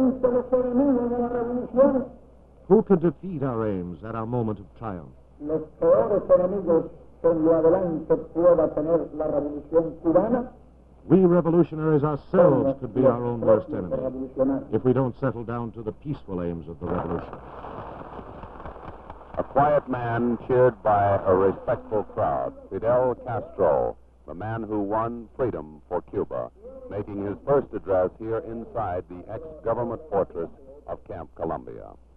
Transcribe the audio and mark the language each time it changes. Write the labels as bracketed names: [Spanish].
[English] Who could defeat our aims at our moment of triumph? [Spanish] Los peores enemigos que en lo adelante pueda tener la revolución cubana. [English] We revolutionaries ourselves could be our own worst enemy if we don't settle down to the peaceful aims of the revolution. A quiet man cheered by a respectful crowd, Fidel Castro, the man who won freedom for Cuba, making his first address here inside the ex-government fortress of Camp Columbia.